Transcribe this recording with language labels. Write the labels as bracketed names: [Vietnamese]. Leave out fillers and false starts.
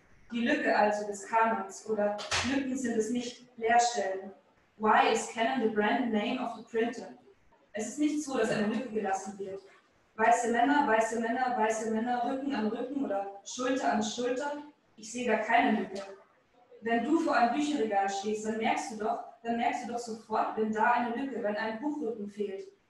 [German] Die Lücke also des Kanons oder Lücken sind es nicht, Leerstellen. [English] Why is Canon the brand name of the printer? [German] Es ist nicht so, dass eine Lücke gelassen wird. Weiße Männer, Rücken an Rücken oder Schulter an Schulter, ich sehe da keine Lücke. Wenn du vor einem Bücherregal stehst, dann merkst du doch sofort, wenn da eine Lücke, wenn ein Buchrücken fehlt.